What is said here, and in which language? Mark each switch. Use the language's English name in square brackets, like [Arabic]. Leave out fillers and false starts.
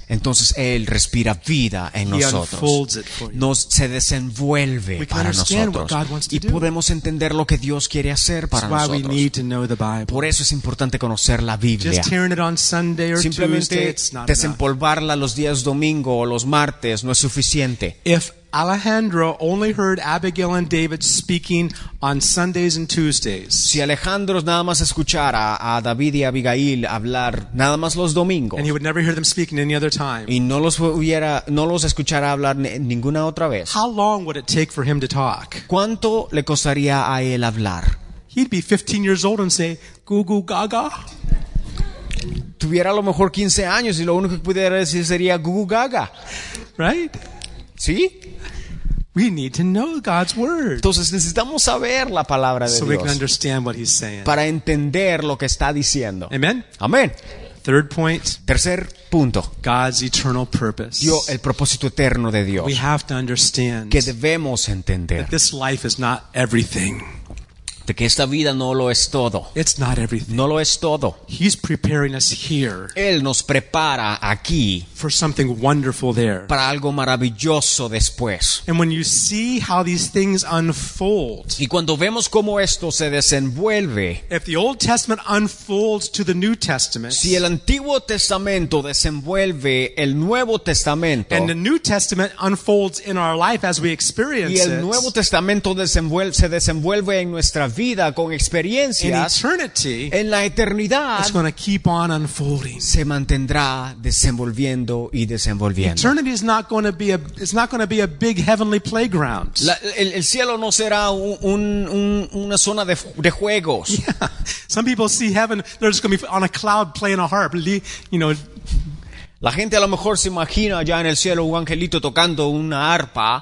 [Spanish] entonces Él respira vida en nosotros. Se desenvuelve para nosotros. Y podemos entender lo que Dios quiere hacer para nosotros. Por eso es importante conocer la Biblia. Simplemente desempolvarla los días domingo o los martes no es suficiente. [English] Alejandro only heard Abigail and David speaking on Sundays and Tuesdays. [Spanish] Si Alejandro nada más escuchara a David y Abigail hablar nada más los domingos. [English] And he would never hear them speaking any other time. [Spanish] Y no los escuchara hablar ninguna otra vez. [English] How long would it take for him to talk? [Spanish] ¿Cuánto le costaría a él hablar? [English] He'd be 15 years old and say, "Goo goo gaga." [Spanish] Tuviera a lo mejor 15 años y lo único que pudiera decir sería "Goo goo gaga." [English] Right? [Spanish] ¿Sí? [English] We need to know God's word. [Spanish] Entonces necesitamos saber la palabra de [English] so [Spanish] Dios. [English] We can understand what he's saying. [Spanish] Para entender lo que está diciendo. [English] Amen. [Spanish] Amén. [English] Third point. [Spanish] Tercer punto. [English] God's eternal purpose. [Spanish] El propósito eterno de Dios. [English] We have to understand. [Spanish] Que debemos entender. [English] That this life is not everything. [Spanish] De que esta vida no lo es todo. [English] It's not everything. [Spanish] No lo es todo. [English] He's preparing us here. [Spanish] Él nos prepara aquí. [English] For something wonderful there. [Spanish] Para algo maravilloso después. [English] And when you see how these things unfold. [Spanish] Y cuando vemos cómo esto se desenvuelve. [English] If the Old Testament unfolds to the New Testament. [Spanish] Si el Antiguo Testamento desenvuelve el Nuevo Testamento. [English] And the New Testament unfolds in our life as we experience it. [Spanish] Y el Nuevo Testamento se desenvuelve en nuestra vida con experiencias [English] in eternity, [Spanish] en la eternidad [English] it's going to keep on unfolding. [Spanish] Se mantendrá desenvolviendo y desenvolviendo. [English] Eternity is not going to be a big heavenly playground. [Spanish] El cielo no será una zona de juegos. [English] Yeah. Some people see heaven, they're just going to be on a cloud playing a harp, you know. [Spanish] La gente a lo mejor se imagina allá en el cielo un angelito tocando una arpa.